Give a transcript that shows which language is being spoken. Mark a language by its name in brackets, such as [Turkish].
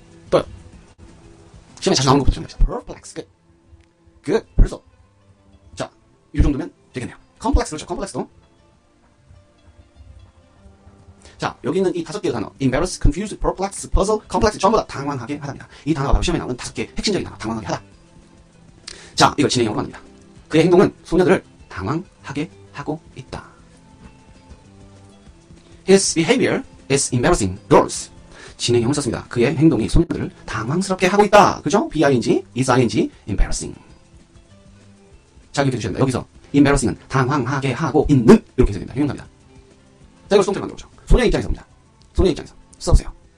[Korean] 또요. 시험에 자주 나오는 것부터 정리합시다. perplex. good. good. 벌써. 이 정도면 되겠네요. 컴플렉스 그렇죠. 컴플렉스도. 자, 여기 있는 이 다섯 개의 단어. embarrass, confuse, perplex, puzzle, complex 전부 다 당황하게 하답니다. 이 단어가 바로 시험에 나오는 다섯 개의 핵심적인 단어. 당황하게 하다. 자, 이걸 진행형으로 만듭니다. 그의 행동은 소녀들을 당황하게 하고 있다. [English] His behavior is embarrassing girls. [Korean] 진행형을 썼습니다. 그의 행동이 소녀들을 당황스럽게 하고 있다. 그죠? B-I-N-G, is I-N-G, embarrassing. 자, 이렇게 되셨나요? 여기서 embarrassing은 당황하게 하고 있는 이렇게 되셔야 됩니다. 형용사입니다. 자, 이걸 손태로 만들어 보죠. 소녀 입장에서 봅니다. 소녀 입장에서 써보세요.